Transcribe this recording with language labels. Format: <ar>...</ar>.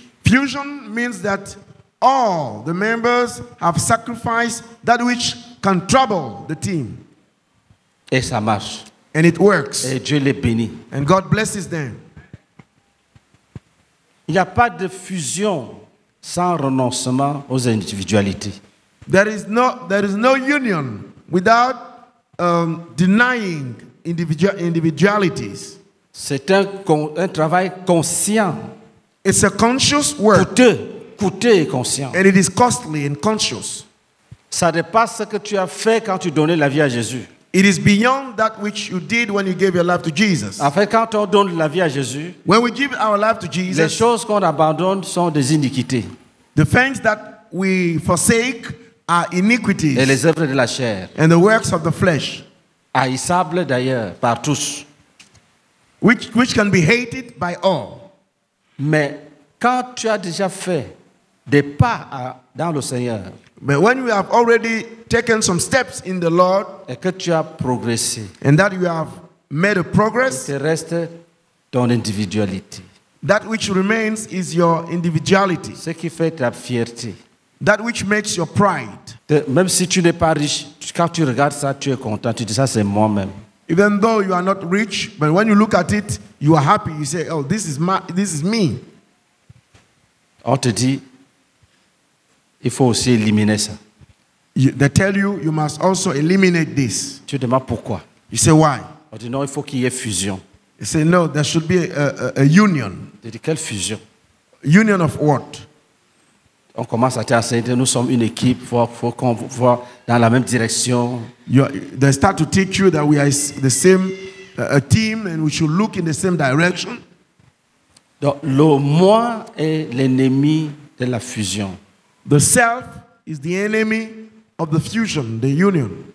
<en>Fusion means that all the members have sacrificed that which can trouble the team.</en> <fr>Et ça marche.</fr> <en>And it works.</en> <fr>Et Dieu les bénit.</fr> <en>And God blesses them.</en> <fr>Il n'y a pas de fusion sans renoncement aux individualités.</fr> <en>There is no union without denying individualities.</en> <fr>C'est un travail conscient.</fr> <en>It's a conscious work.</en> <fr>Coûteux et conscient.</fr> <en>And it is costly and conscious.</en> <fr>Ça dépasse ce que tu as fait quand tu donnais la vie à Jésus.</fr> <en>It is beyond that which you did when you gave your life to Jesus.</en> <fr>En fait, quand on donne la vie à Jésus,</fr> <en>when we give our life to Jesus,</en> <fr>les choses qu'on abandonne sont des iniquités.</fr> <en>The things that we forsake are iniquities.</en> <fr>Et les œuvres de la chair.</fr> <en>And the works of the flesh.</en> <fr>Haïssables d'ailleurs par tous.</fr> <en>Which can be hated by all.</en> <fr>Mais quand tu as déjà fait des pas dans le Seigneur,</fr> <en>but when you have already taken some steps in the Lord,</en> <fr>et que tu as progressé,</fr> <en>and that you have made a progress,</en> <fr>il te reste ton individualité.</fr> <en>That which remains is your individuality.</en> <fr>Ce qui fait ta fierté.</fr> <en>That which makes your pride.</en> <fr>De, même si tu n'es pas riche, quand tu regardes ça, tu es content. Tu dis ça, c'est moi-même.</fr> <en>Even though you are not rich, but when you look at it, you are happy. You say, "Oh, this is me."</en> <fr>On te dit, il faut aussi éliminer ça.</fr> <en>They tell you, you must also eliminate this.</en> <fr>Tu demandes pourquoi?</fr> <en>You say why?</en> <fr>On dit non, il faut qu'il y ait fusion.</fr> <en>You say no, there should be a union.</en> <fr>Tu dis quelle fusion?</fr> <en>Union of what?</en> <fr>On commence à t'enseigner, nous sommes une équipe, faut qu'on voit dans la même direction.</fr> <en>They start to teach you that we are the same a team and we should look in the same direction.</en> <fr>Donc, le moi est l'ennemi de la fusion.</fr> <en>The self is the enemy of the fusion, the union.</en>